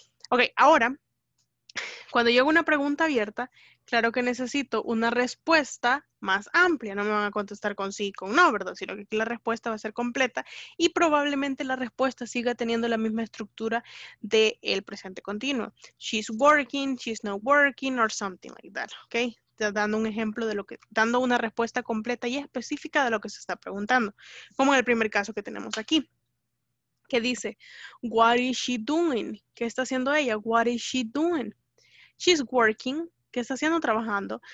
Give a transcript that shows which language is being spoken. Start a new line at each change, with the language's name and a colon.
Spanish: Ok, ahora, cuando yo hago una pregunta abierta, claro que necesito una respuesta más amplia. No me van a contestar con sí y con no, ¿verdad? Sino que aquí la respuesta va a ser completa y probablemente la respuesta siga teniendo la misma estructura del presente continuo.
English: She's working, she's not working, or something like that, ¿ok?
Spanish: Dando un ejemplo de lo que, dando una respuesta completa y específica de lo que se está preguntando. Como en el primer caso que tenemos aquí, que dice,
English: what is she doing?
Spanish: ¿Qué está haciendo ella?
English: What is she doing? She's working.
Spanish: ¿Qué está haciendo? Trabajando.